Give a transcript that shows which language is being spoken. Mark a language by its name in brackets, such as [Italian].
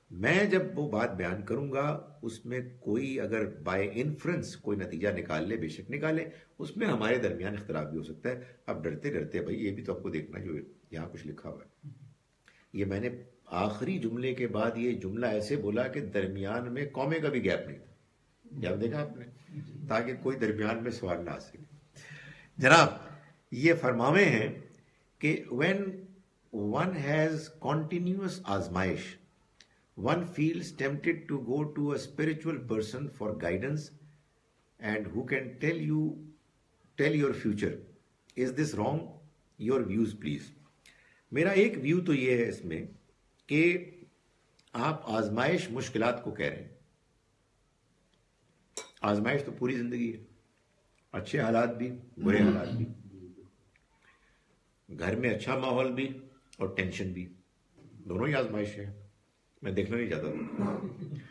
[Urdu] میں جب وہ بات بیان کروں گا اس میں کوئی اگر بائی انفرنس کوئی نتیجہ نکال لے, بے شک نکالے, اس میں ہمارے درمیان اختلاف بھی ہو سکتا ہے. اب ڈرتے ڈرتے بھائی یہ بھی تو آپ کو دیکھنا جو یہاں کچھ لکھا ہوا ہے, یہ میں نے آخری جملے کے بعد یہ جملہ ایسے بولا کہ درمیان میں کومے کا بھی گیپ نہیں تھا, جب دیکھا آپ نے, تاکہ کوئی درمیان میں سوال نہ آ سکے. جناب یہ فرماوے ہیں کہ [English] when one has continuous آزمائش one feels tempted to go to a spiritual person for guidance and who can tell your future. Is this wrong? Your views please. [Urdu] میرا ایک ویو تو یہ ہے اس میں کہ آپ آزمائش مشکلات کو کہہ رہے ہیں. آزمائش تو پوری زندگی ہے, اچھے حالات بھی برے حالات بھی, گھر میں اچھا ماحول بھی اور ٹینشن بھی, دونوں ہی آزمائش ہیں, میں دیکھنا نہیں چاہتا ہوں.